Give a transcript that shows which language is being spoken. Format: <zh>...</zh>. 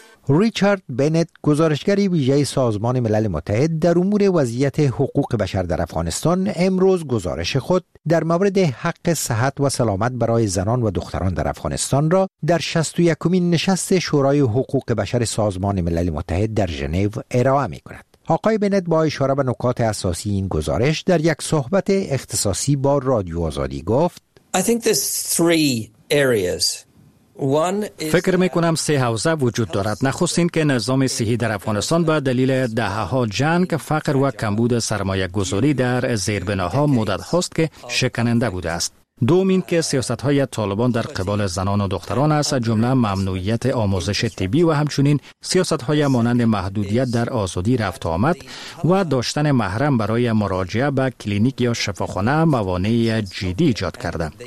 <fa>ریچارد بنت، گزارشگر ویژه سازمان ملل متحد در امور وضعیت حقوق بشر در افغانستان، امروز گزارش خود در مورد حق صحت و سلامت برای زنان و دختران در افغانستان را در 61مین نشست شورای حقوق بشر سازمان ملل متحد در ژنو ارائه می کند. آقای بنت با اشاره به نکات اساسی این گزارش در یک صحبت اختصاصی با رادیو آزادی گفت:</fa> <en>I think there's three areas.</en> <fa>فکر میکنم سه حوزه وجود دارد. نخستین که نظام صحی در افغانستان به دلیل دهها جنگ، فقر و کمبود سرمایه گذاری در زیربناها مدت هاست که شکننده بوده است. دومین که سیاست های طالبان در قبال زنان و دختران است، از جمله ممنوعیت آموزش طبی و همچنین سیاست های مانند محدودیت در آزادی رفت آمد و داشتن محرم برای مراجعه به کلینیک یا شفاخانه موانع جدی ایجاد کرده.</fa>